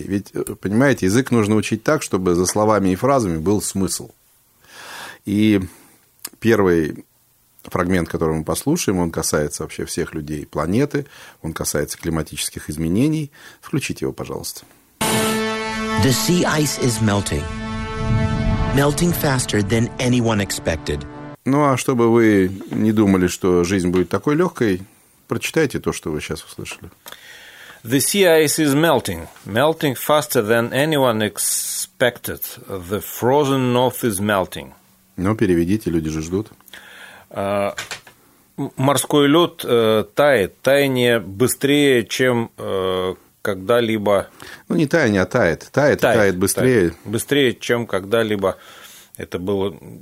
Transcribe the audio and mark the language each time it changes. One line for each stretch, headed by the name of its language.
Russian: Ведь, понимаете, язык нужно учить так, чтобы за словами и фразами был смысл. И первый фрагмент, который мы послушаем, он касается вообще всех людей планеты, он касается климатических изменений. Включите его, пожалуйста.
English: The sea ice is melting. Melting faster than anyone expected.
Russian: Ну, а чтобы вы не думали, что жизнь будет такой легкой, прочитайте то, что вы сейчас услышали.
English: The sea ice is melting, melting faster than anyone expected. The frozen north is melting.
Russian: Ну, переведите, люди же ждут. Морской лед тает, таяние быстрее, чем когда-либо... Ну, не таяние, а тает. Тает быстрее. Тает. Быстрее, чем когда-либо... Это было